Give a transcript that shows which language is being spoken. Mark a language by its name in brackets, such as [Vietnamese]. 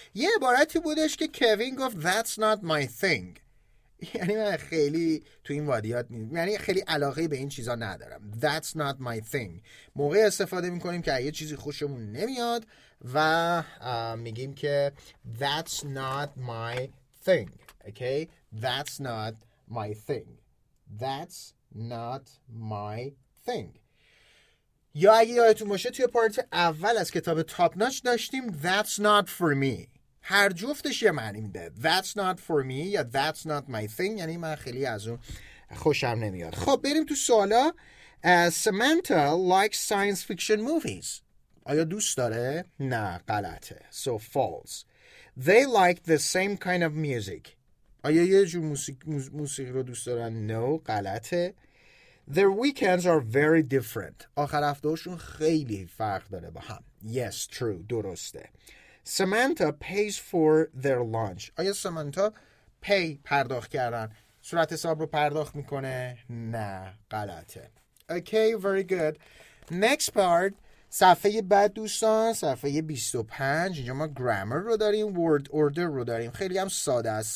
[Persian] Yeah, عبارتی بودش که کوین گفت [English] that's not my thing. [Persian] یعنی من خیلی تو این وادیات نیستم، یعنی خیلی علاقه به این چیزا ندارم. [English] That's not my thing. [Persian] موقع استفاده میکنیم که یه چیزی خوشمون نمیاد و میگیم که [English] That's not my thing. Okay? That's not my thing. That's not my thing. [Persian] یا اگه یادتون باشه توی پارت اول از کتاب تاپ ناچ داشتیم [English] that's not for me. [Persian] هر جفتش یه معنی میده. [English] That's not for me یا that's not my thing. [Persian] یعنی من خیلی از اون خوشم نمیاد. خب بریم تو سوالا. [English] Samantha likes science fiction movies. [Persian] آیا دوست داره؟ نه غلطه. [English] So false. They like the same kind of music. [Persian] آیا یه جور موسیقی رو دوست دارن؟ نه غلطه. [English] Their weekends are very different. [Persian] آخر هفته‌شون خیلی فرق داره با هم. [English] Yes, true. [Persian] درسته. [English] Samantha pays for their lunch. [Persian] آیا Samantha pay پرداخت کردن؟ صورت حساب رو پرداخت میکنه؟ نه، غلطه. [English] Okay, very good. Next part. [Persian] صفحه بعد دوستان، صفحه 25. اینجا ما grammar رو داریم، word order رو داریم. خیلی هم ساده است.